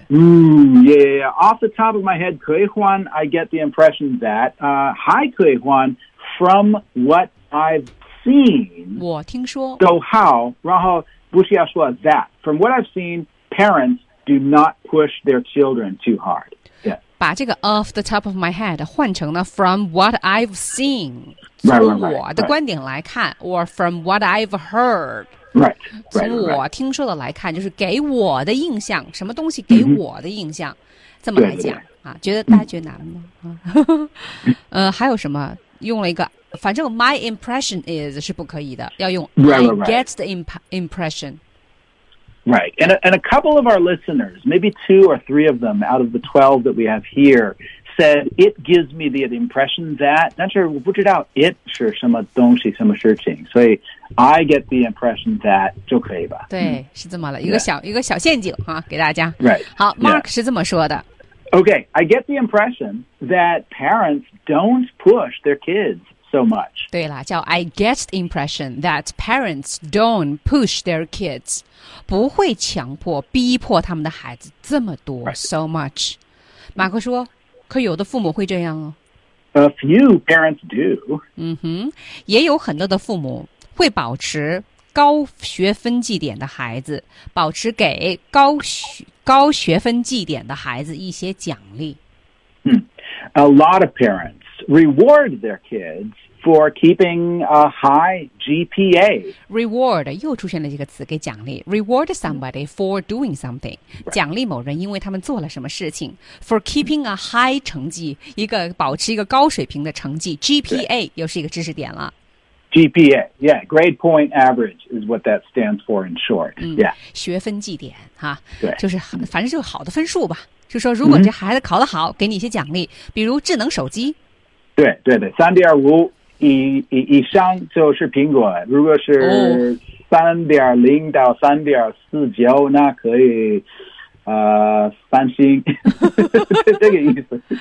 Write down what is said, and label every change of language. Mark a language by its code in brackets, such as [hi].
[en] Yeah, off the top of my head, [zh] 可以换 [en] I get the impression that, 可以换 from what I've seen. [zh] 我听说。 [en] So how, [zh] 然后不是要说 that. [en] From what I've seen, parents do not push their children too hard.、Yeah. [zh] 把这个 [en] off the top of my head [zh] 换成了 [en] from what I've seen. [zh] 从我的观点来看 [en] right. or from what I've heard. Right, [zh] 从我听说的来看就是给我的印象什么东西给我的印象、mm-hmm. 这么来讲啊，觉得大家觉得难吗、还有什么用了一个反正 [en] my impression is [zh] 是不可以的要用 [en] I get the impression right and a couple of our listeners maybe two or three of them out of the 12 that we have here said it gives me the impression that [zh] 但是我不知道 [en] it [zh] 是什么东西什么事情所以 [en] I get the impression that [zh] 就可以吧。对，是这么了，一个小陷阱啊，给大家。 [en] Right. [zh] 好 ，Mark 是这么说的。 [en] Okay, I get the impression that parents don't push their kids so much. [zh] 对了，叫 [en] I get the impression that parents don't push their kids, [zh] 不会强迫、逼迫他们的孩子这么多 [en] so much. [zh] 马克说，可有的父母会这样哦。 [en] A few parents do. [zh] 也有很多的父母。会保持高学分绩点的孩子保持给高学分绩点的孩子一些奖励。 [en] A lot of parents reward their kids for keeping a high GPA. Reward, [zh] 又出现了这个词给奖励。 [en] Reward somebody for doing something. [zh] 奖励某人因为他们做了什么事情。 [en] For keeping a high [zh] 成绩一个保持一个高水平的成绩 GPA 又是一个知识点了。 [en] GPA, yeah, grade point average is what that stands for in short, yeah. [zh] 学分绩点、啊、对就是反正就是好的分数吧。就说如果这孩子考得好，给你一些奖励，比如智能手机。对对对，3.25以上就是苹果，如果是3.0到3.49，那可以三星，这个意思。